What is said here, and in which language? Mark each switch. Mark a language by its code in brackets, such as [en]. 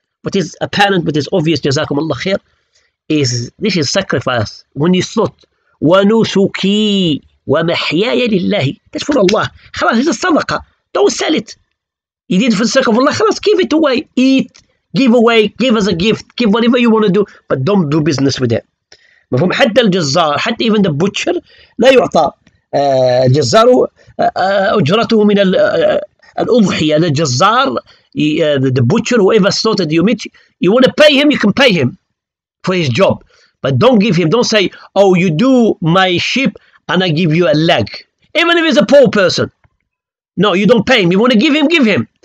[en] What is apparent, what is obvious, Jazaakumullahu Khayr, is this is sacrifice. When you thought [ar] وَنُسُكِي وَمَحْيَايَ لِلَّهِ, [en] that's for Allah. خلاص, it's a sadaqah. Don't sell it. You did it for the sake of Allah. خلاص, give it away. Eat, give away, give as a gift, give whatever you want to do, but don't do business with it. But from [ar] حتى الجزار, حتى [en] even the butcher, [ar] لا يعطى الجزار أجرته من الأضحية. [en] الجزار, the butcher, whoever slaughtered you meat, you want to pay him, you can pay him for his job. But don't give him, don't say, oh, you do my sheep and I give you a leg. Even if he's a poor person. No, you don't pay him. You want to give him, give him.